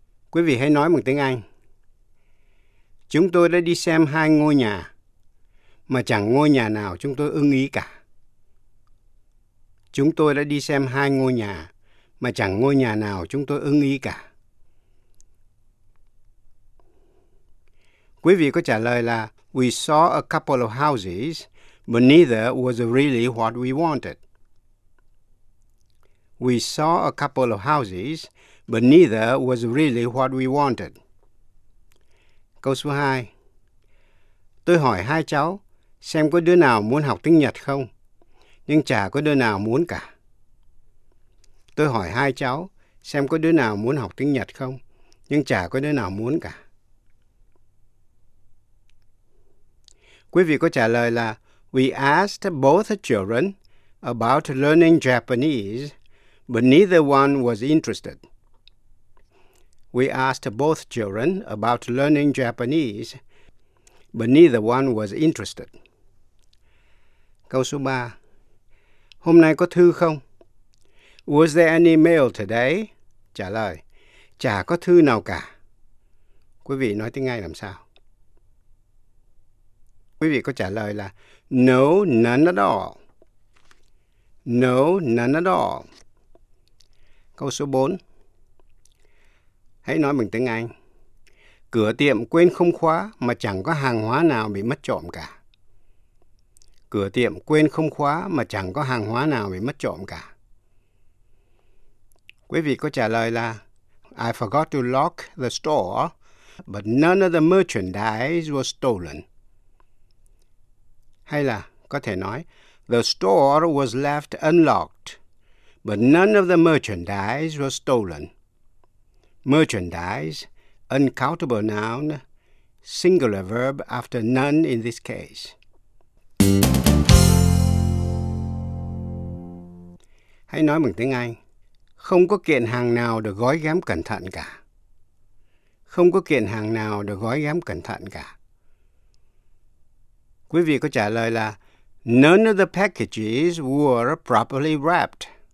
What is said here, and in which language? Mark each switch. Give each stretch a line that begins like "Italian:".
Vietnamese: Quý vị hãy nói bằng tiếng Anh. Chúng tôi đã đi xem hai ngôi nhà, mà chẳng ngôi nhà nào chúng tôi ưng ý cả. Chúng tôi đã đi xem hai ngôi nhà, mà chẳng ngôi nhà nào chúng tôi ưng ý cả. Quý vị có trả lời là
English: we saw a couple of houses, but neither was really what we wanted. We saw a couple of houses, but neither was really what we wanted.
Vietnamese: Câu số 2. Tôi hỏi hai cháu xem có đứa nào muốn học tiếng Nhật không, nhưng chả có đứa nào muốn cả. Tôi hỏi hai cháu xem có đứa nào muốn học tiếng Nhật không, nhưng chả có đứa nào muốn cả. Quý vị có trả lời là
English: we asked both children about learning Japanese, but neither one was interested. We asked both children about learning Japanese, but neither one was interested.
Vietnamese: Câu số 3. Hôm nay có thư không?
English: Was there any mail today?
Vietnamese: Trả lời, chả có thư nào cả. Quý vị nói tiếng Anh làm sao? Quý vị có trả lời là
English: no, none at all.
Vietnamese: No, none at all. Câu số 4. Hãy nói bằng tiếng Anh. Cửa tiệm quên không khóa mà chẳng có hàng hóa nào bị mất trộm cả. Cửa tiệm quên không khóa mà chẳng có hàng hóa nào bị mất trộm cả. Quý vị có trả lời là
English: I forgot to lock the store, but none of the merchandise was stolen.
Vietnamese: hay là có thể nói,
English: the store was left unlocked, but none of the merchandise was stolen. Merchandise, uncountable noun, singular verb after none in this case.
Vietnamese: Hãy nói bằng tiếng Anh, không có kiện hàng nào được gói ghém cẩn thận cả. Không có kiện hàng nào được gói ghém cẩn thận cả. Quý vị có trả lời là
English: none of the packages were properly wrapped.